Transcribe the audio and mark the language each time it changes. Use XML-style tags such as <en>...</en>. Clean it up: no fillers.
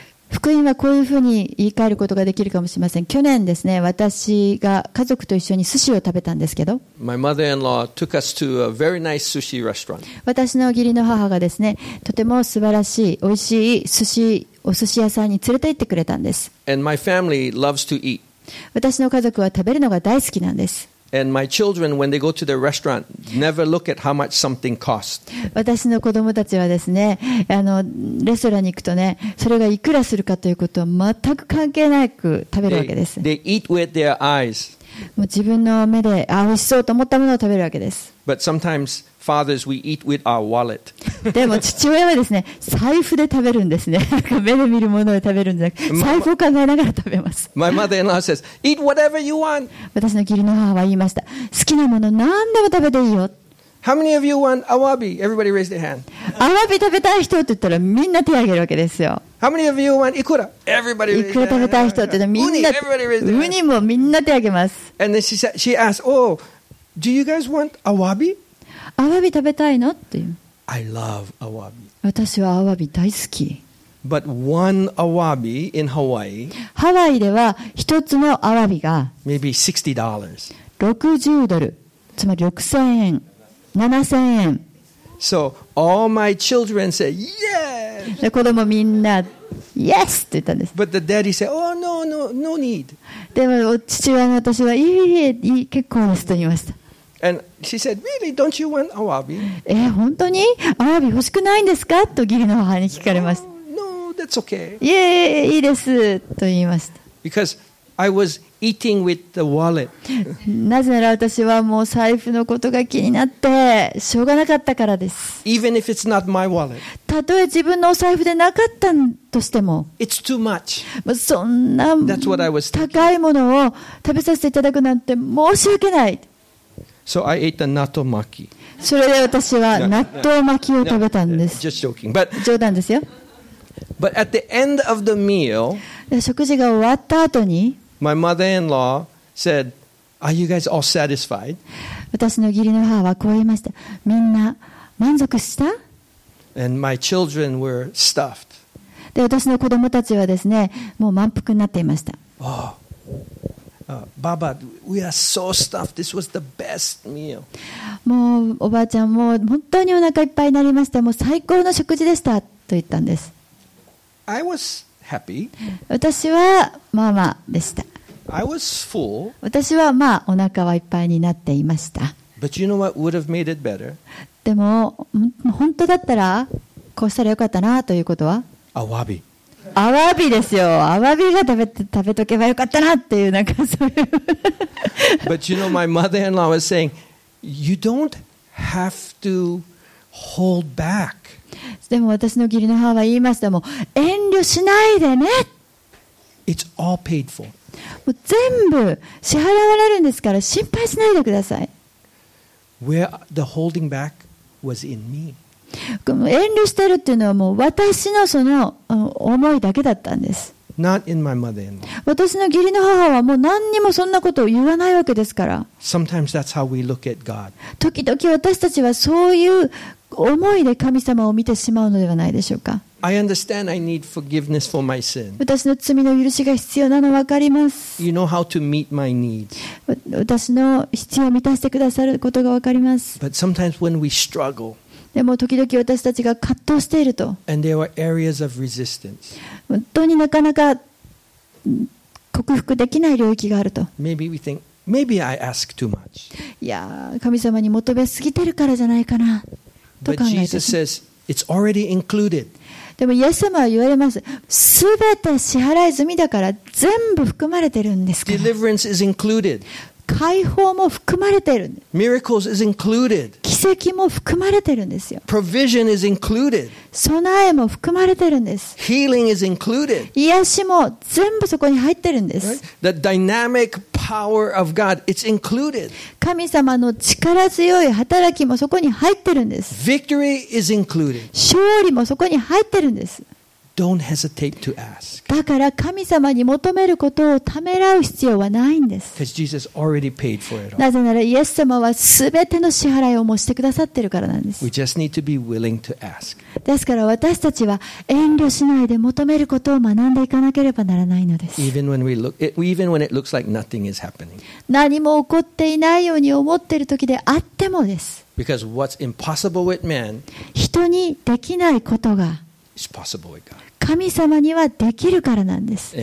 <ja>福音はこういうふうに言い換えることができるかもしれません。去年ですね、私が家族と一緒に寿司を食べたんですけど、</ja> <en>My mother-in-law took us to a very nice sushi restaurant.</en> <ja>私の義理の母がですね、とても素晴らしい、おいしい寿司お寿司屋さんに連れて行ってくれたんです。</ja> <en>And my family loves to eat.</en> <ja>私の家族は食べるのが大好きなんです。</ja> <en>And my children, when they go to their restaurant, never look at how much something costs.</en> <ja>私の子供たちはですね、レストランに行くとね、それがいくらするかということは全く関係なく食べるわけです。</ja> <en>They eat with their eyes.</en> <ja>もう自分の目で、あ、美味しそうと思ったものを食べるわけです。</ja> <en>But sometimes fathers, we eat with our wallet.</en> <ja>でも父親はですね、財布で食べるんですね。目で見るものを食べるんじゃなくて、財布を考えながら食べます。</ja> <en>My mother-in-law says, eat whatever you want.</en> <ja>私の義理の母は言いました。好きなもの何でも食べていいよ。</ja> <en>How many of you want awabi? Everybody raise their hand.</en> <ja>アワビ食べたい人って言ったらみんな手を挙げるわけですよ。</ja> <en>How many of you want ikura? Everybody raise their hand.</en> <ja>イクラ食べたい人って言ったらみんな、</ja> <en>Everybody raise their hand.</en> <ja>ウニもみんな手を挙げます。</ja> <en>And then she asked, oh, do you guys want awabi?</en> <ja>アワビ食べたいのっていう。</ja> <en>I love awabi.</en> <ja>私はアワビ大好き。</ja> <en>But one awabi in Hawaii.</en> <ja>ハワイでは一つのアワビが。</ja> <en>Maybe $60.</en> <ja>60ドル。つまり6000円、7000円。</ja> <en>So all my children say yes.</en> <ja>子供みんな yes って言ったんです。</ja> <en>But the daddy said, oh no, no, no need.</en> <ja>でも父親の私はいい結構ですと言いました。</ja> <en>And she said, "Really? Don't you want awabi?"</en> <ja>本当にアワビ欲しくないんですかと義理の母に聞かれました。</ja> <en>No, no, that's okay.</en> <ja>いえいいですと言いました。</ja> <en>Because I was eating with the wallet.</en> <ja>なぜなら私はもう財布のことが気になってしょうがなかったからです。</ja> <en>Even if it's not my wallet.</en> <ja>たとえ自分のお財布でなかったとしても、</ja> <en>It's too much.</en> <ja>そんな高いものを食べさせていただくなんて申し訳ない。</ja> <en>So I ate the natto maki.</en> <ja>それで私は納豆巻きを食べたんです。</ja> <en>Just joking, but</en> <ja>冗談ですよ。</ja> <en>But at the end of the meal,</en> <ja>食事が終わった後に、</ja> <en>My mother-in-law said, "Are you guys all satisfied?"</en> <ja>私の義理の母はこう言いました。みんな満足した</ja> <en>？And my children were stuffed.</en> <ja>で私の子供たちはですね、もう満腹になっていました。</ja> <en>Oh. Baba, we are so stuffed. This was the best meal.</en> <ja>もうおばあちゃんもう本当にお腹いっぱいになりました。もう最高の食事でしたと言ったんです。</ja> <en>I was happy.</en> <ja>私はまあまあでした。</ja> <en>I was full.</en> <ja>私はまあお腹はいっぱいになっていました。</ja> <en>But you know what would have made it better?</en> <ja>でも本当だったらこうしたらよかったなということは。アワビ。アワビですよ。アワビが食べとけばよかったなっていうなんかそういう。</ja> <en>But you know, my mother-in-law was saying, you don't have to hold back.</en> <ja>でも私の義理の母は言いましたも、遠慮しないでね。</ja> <en>It's all paid for.</en> <ja>もう全部支払われるんですから心配しないでください。</ja> <en>Where the holding back was in me.</en> <ja>遠慮してるっていうのはもう私のその思いだけだったんです。</ja> <en>Not in my mother-in-law.</en> <ja>私の義理の母はもう何にもそんなことを言わないわけですから。</ja> <en>Sometimes that's how we look at God.</en> <ja>時々私たちはそういう思いで神様を見てしまうのではないでしょうか。</ja> <en>I understand I need forgiveness for my sin.</en> <ja>私の罪の許しが必要なの分かります。</ja> <en>You know how to meet my needs.</en> <ja>私の必要を満たしてくださることが分かります。</ja> <en>But sometimes when we struggle,</en> <ja>でも時々私たちが葛藤していると</ja> <en>And there are areas of resistance.</en> <ja>本当になかなか克服できない領域があると</ja> <en>Maybe we think, maybe I ask too much.</en> <ja>いや神様に求めすぎてるからじゃないかなと考えています</ja> <en>But Jesus says, it's already included.</en> <ja>でもイエス様は言われます全て支払い済みだから全部含まれてるんですから</ja> <en>Deliverance is included.</en> <ja>解放も含まれてる。</ja> <en>Miracles is included.</en> <ja>奇跡も含まれてるんですよ。</ja> <en>Provision is included.</en> <ja>備えも含まれてるんです。</ja> <en>Healing is included.</en> <ja>癒しも全部そこに入ってるんです。</ja> <en>The dynamic power of God, it's included.</en> <ja>神様の力強い働きもそこに入ってるんです。</ja> <en>Victory is included.</en> <ja>勝利もそこに入ってるんです。</ja> <en>Don't hesitate to ask.</en> <ja>だから神様に求めることをためらう必要はないんです。</ja> <en>Because Jesus already paid for it all.</en> <ja>なぜならイエス様は全ての支払いをもうしてくださってるからなんです。</ja> <en>We just need to be willing to ask.</en> <ja>ですから私たちは遠慮しないで求めることを学んでいかなければならないのです。</ja> <en>Even when it looks like nothing is happening.</en> <ja>何も起こっていないように思っている時であってもです。</ja> <en>Because what's impossible with man,</en> <ja>人にできないことが神様にはできるからなんです。</ja>